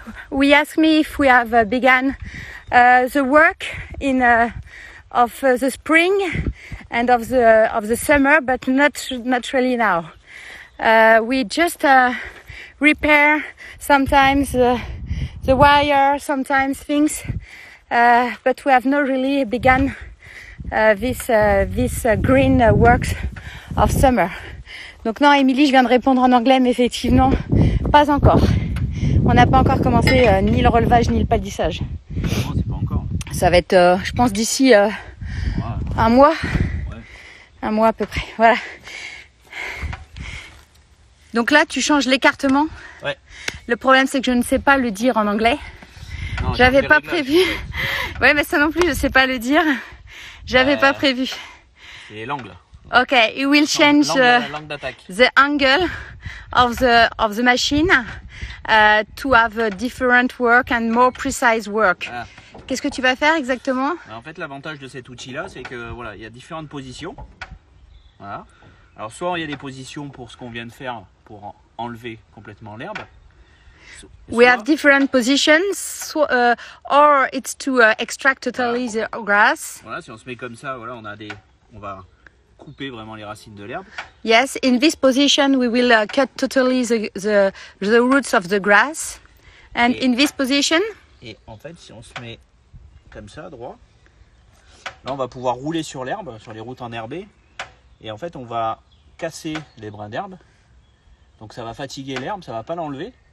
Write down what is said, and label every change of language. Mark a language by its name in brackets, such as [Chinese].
[English] We asked me if we have began the work in of the spring and of the summer, but not really now. We just repair sometimes the wire, sometimes things. But we have not really begun this green works of summer. [French] Donc non, Émilie, je viens de répondre en anglais, mais effectivement, pas encore. On n'a pas encore commencé ni le relevage ni le palissage. Comment c'est pas encore? Ça va être, je pense, d'ici un mois. Ouais. Un mois à peu près, voilà. Donc là, tu changes l'écartement. Ouais. Le problème, c'est que je ne sais pas le dire en anglais. Non, j'avais pas prévu. Ouais, mais ça non plus, je sais pas le dire. J'avais pas prévu. C'est l'angle. [English] Ok, it will change [French] l'angle [English] the angle of the machine to have a different work and more precise work. [French] Ah. Qu'est-ce que tu vas faire exactement? En fait, l'avantage de cet outil-là, c'est que voilà, il y a différentes positions. Voilà. Alors, soit il y a des positions pour ce qu'on vient de faire, pour enlever complètement l'herbe. [English] We have different positions, or it's to extract totally the grass. [French] Voilà, si on se met comme ça, voilà, on va couper vraiment les racines de l'herbe. [English] Yes, in this position, we will cut totally the roots of the grass. And in this position. [French] Et en fait, si on se met comme ça, droit, là, on va pouvoir rouler sur l'herbe, sur les routes enherbées, et en fait, on va casser les brins d'herbe. Donc, ça va fatiguer l'herbe, ça va pas l'enlever.